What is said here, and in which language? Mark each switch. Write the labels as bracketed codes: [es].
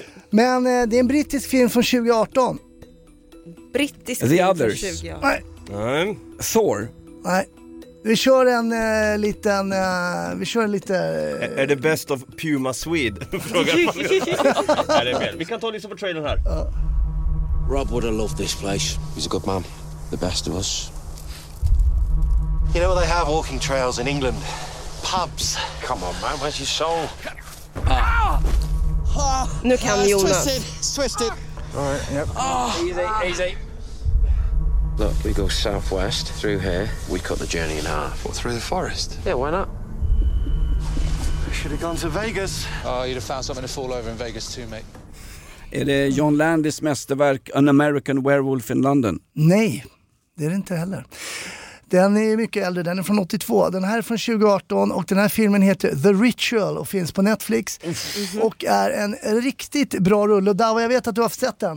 [sv] Men det är en brittisk film från 2018. Brittisk film från 2018. Nej. Thor. Nej. Vi kör en liten... Vi kör en lite... Är det best of Puma Swede? Frågar man. Nej, det är fel. Vi kan ta lite på trailern här. [en] Rob would have loved this place. He's a good man. The best of us. You know what they have walking trails in England? Pubs. Come on, man. Where's your soul? [sv] Nu kan Jonas. [en] It's twisted. All right, yep. Easy. Look, we go southwest through here. We cut the journey in half. Or through the forest? Yeah, why not? I should have gone to Vegas. Oh, you'd have found something to fall over in Vegas too, mate. [sv] Är det John Landis mästerverk An American Werewolf in London? Nej, det är det inte heller. Den är mycket äldre, den är från 82. Den här är från 2018 och den här filmen heter The Ritual och finns på Netflix. Och är en riktigt bra rulle. Och Davo, jag vet att du har sett den.